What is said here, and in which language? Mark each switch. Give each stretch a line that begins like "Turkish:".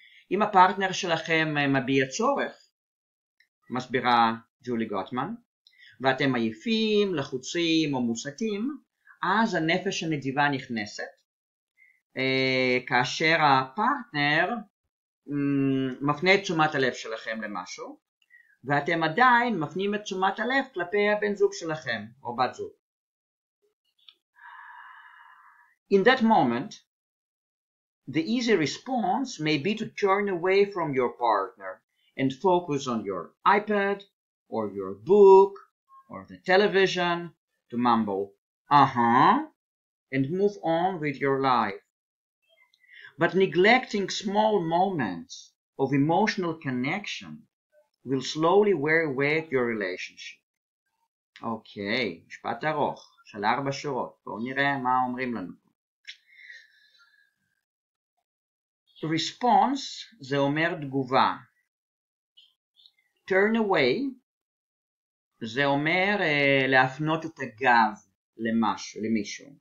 Hebrew: אם הפרטנר שלכם מביע צורך, מסבירה ג'ולי גוטמן, ואתם עייפים, לחוצים או מוסתים, אז הנפש הנדיבה נכנסת, כאשר הפרטנר מפנה את תשומת הלב שלכם למשהו, ואתם עדיין מפנים את תשומת הלב כלפי הבן זוג שלכם או בת זוג.
English: In that moment, the easy response may be to turn away from your partner and focus on your iPad or your book or the television, to mumble, and move on with your life. But neglecting small moments of emotional connection will slowly wear away at your relationship.
Hebrew: אוקיי, משפט ארוך, של 4 שורות. בואו נראה מה אומרים לנו. Response זה אומר תגובה. Turn away זה אומר להפנות את הגב למשהו, למישהו.